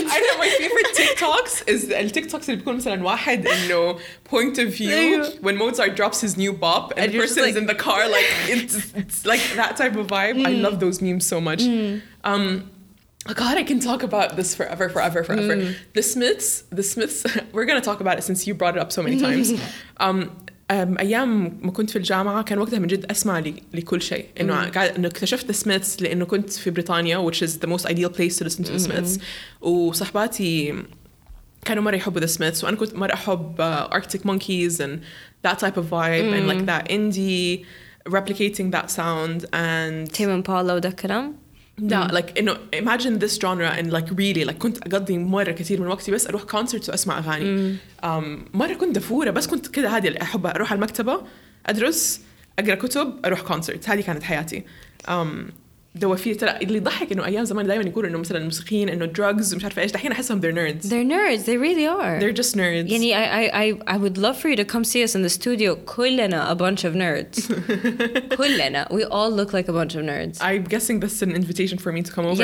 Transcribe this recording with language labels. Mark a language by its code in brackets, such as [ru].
[en] I know my favorite TikToks is the TikToks [ar] اللي بيكون مثلاً واحد إنه [en] point of view when Mozart drops his new bop and the person is like, in the car, like, it's like that type of vibe. I love those memes so much. Oh God, I can talk about this forever, forever, forever. The Smiths, we're going to talk about it since you brought it up so many times. [ar] أيام ما كنت في الجامعة كان وقتها من جد أسمع لكل شيء. إنه اكتشفت [en] The Smiths [ar] لأنه كنت في بريطانيا, [en] which is the most ideal place to listen to The Smiths. [ar] وصحباتي كانوا مرة يحبوا [en] The Smiths, [ar] وأنا كنت مرة أحب [en] Arctic Monkeys and that type of vibe and like that indie, replicating that sound. And [ar] Tame Impala وده كلام. [en] No, like, you know, imagine this genre and like really, like, [ar] كنت أقضي مرة كثير من وقتي بس أروح concerts وأسمع أغاني. مرة كنت دفورة بس كنت كده هادي اللي أحبها, أروح على المكتبة أدرس أقرأ كتب أروح concerts. هذه كانت حياتي. دوافير ترى اللي ضحك إنه أيام زمان دائما يقولوا إنه مثلا المسخين إنه drugs مش عارفة إيش, دحين أحسهم [en] they're nerds, they really are, they're just nerds. يعني I would love for you to come see us in the studio. كلنا a bunch of nerds. كلنا, we all look like a bunch of nerds. I'm guessing this is an invitation for me to come over.